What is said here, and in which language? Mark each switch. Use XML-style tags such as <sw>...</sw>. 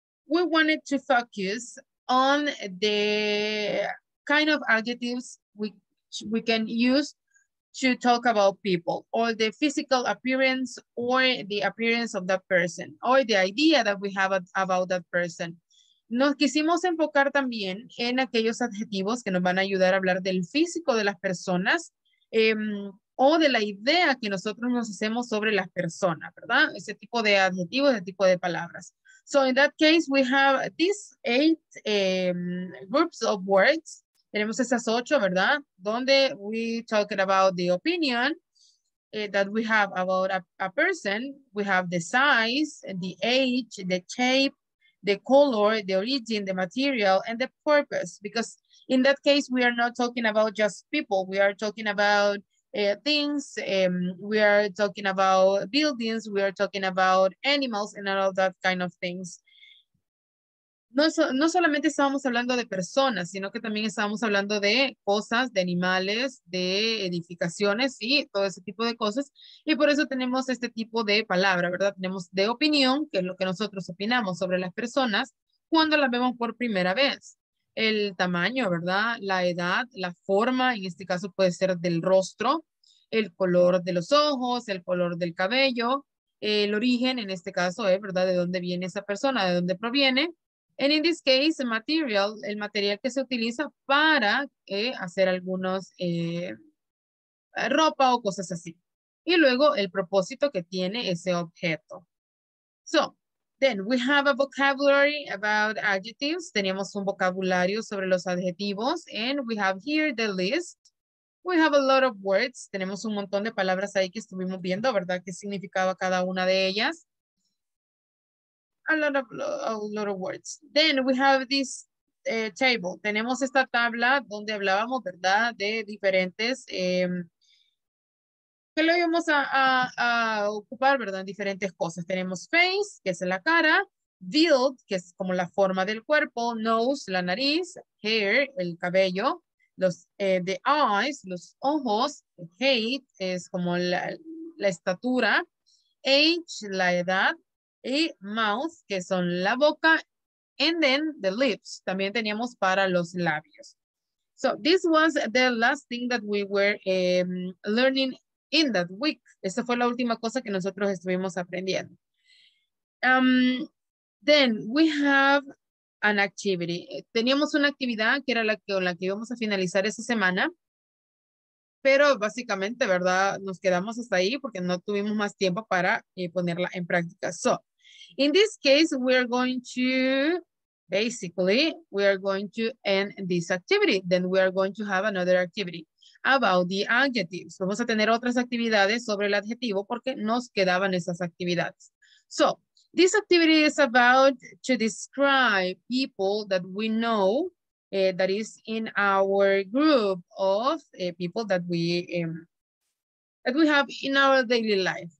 <en>we wanted to focus on the kind of adjectives we can use to talk about people, or the physical appearance, or the appearance of that person, or the idea that we have about that person.</en> <es>Nos quisimos enfocar también en aquellos adjetivos que nos van a ayudar a hablar del físico de las personas, o de la idea que nosotros nos hacemos sobre las personas, ¿verdad? Ese tipo de adjetivos, ese tipo de palabras.</es> <en>So in that case, we have these 8 groups of words.</en> <es>Tenemos esas 8, ¿verdad? Donde</es> <en>we talked about the opinion that we have about a person. We have the size, the age, the shape, the color, the origin, the material, and the purpose. Because in that case, we are not talking about just people. We are talking about things. We are talking about buildings. We are talking about animals and all of that kind of things.</en> <es>No solamente estábamos hablando de personas, sino que también estábamos hablando de cosas, de animales, de edificaciones y todo ese tipo de cosas. Y por eso tenemos este tipo de palabra, ¿verdad? Tenemos de opinión, que es lo que nosotros opinamos sobre las personas cuando las vemos por primera vez. El tamaño, ¿verdad? La edad, la forma, en este caso puede ser del rostro, el color de los ojos, el color del cabello, el origen, en este caso, ¿verdad? De dónde viene esa persona, de dónde proviene.</es> <en>And in this case, the material,</en> <es>el material que se utiliza para hacer algunos ropa o cosas así. Y luego el propósito que tiene ese objeto.</es> <en>So, then we have a vocabulary about adjectives.</en> <es>Tenemos un vocabulario sobre los adjetivos.</es> <en>And we have here the list. We have a lot of words.</en> <es>Tenemos un montón de palabras ahí que estuvimos viendo, ¿verdad? ¿Qué significaba cada una de ellas?</es> <en>A lot of words. Then we have this table.</en> <es>Tenemos esta tabla donde hablábamos, ¿verdad? De diferentes, que lo íbamos a ocupar, ¿verdad? En diferentes cosas. Tenemos face, que es la cara. Build, que es como la forma del cuerpo. Nose, la nariz. Hair, el cabello. Los the eyes, los ojos. Height, es como la estatura. Age, la edad. Y mouth, que son la boca,</es> <en>and then the lips,</en> <es>también teníamos para los labios.</es> <en>So this was the last thing that we were learning in that week.</en> <es>Esa fue la última cosa que nosotros estuvimos aprendiendo.</es> <en>Then we have an activity.</en> <es>Teníamos una actividad que era la que íbamos a finalizar esa semana. Pero básicamente, ¿verdad? Nos quedamos hasta ahí porque no tuvimos más tiempo para ponerla en práctica.</es> <en>So, in this case, we are going to end this activity. Then we are going to have another activity about the adjectives.</en> <es>Vamos a tener otras actividades sobre el adjetivo porque nos quedaban esas actividades.</es> <en>So, this activity is about to describe people that we know that is in our group of people that we have in our daily life.</en>